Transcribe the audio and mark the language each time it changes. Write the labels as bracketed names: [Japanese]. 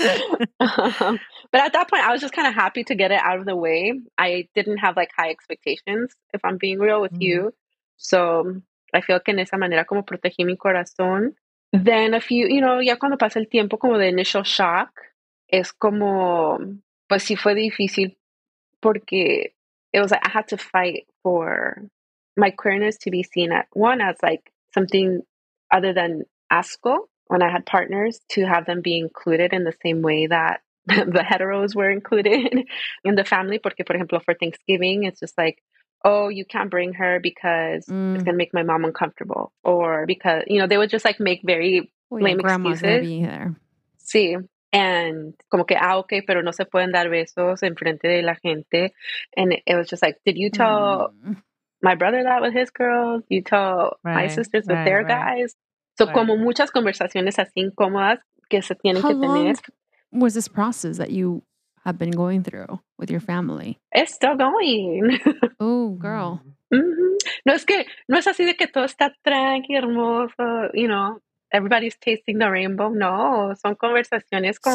[English] But at that point, I was just kind of happy to get it out of the way. I didn't have like high expectations, if I'm being real with you. So I feel [Spanish] que en esa manera como protegí mi corazón. [English] Then a few, you know, [Spanish] ya cuando pasa el tiempo, como [English] the initial shock, [Spanish] es como, pues sí fue difícil porque [English] it was like I had to fight for my queerness to be seen at one as like something other than asco when I had partners to have them be included in the same way that the heteros were included in the family. [Spanish] Porque, por ejemplo, [English] for Thanksgiving, it's just like, oh, you can't bring her because it's going to make my mom uncomfortable or because, you know, they would just like make very lame grandma's excuses. Gonna be there. See. And [Spanish] como que, ah, okay, pero no se pueden dar besos en frente de la gente. [English] And it was just like, did you tell my brother that with his girls? You tell my sisters with their guys? So [Spanish] como muchas conversaciones así incómodas que se tienen [English] How [Spanish] que tener. [English] How long was this process that you have been going through with your family? It's still going. Oh, girl. [Spanish] No, es que no es así de que todo está tranqui, hermoso, [English] you know. Everybody's tasting the rainbow. [Spanish] No, son conversaciones como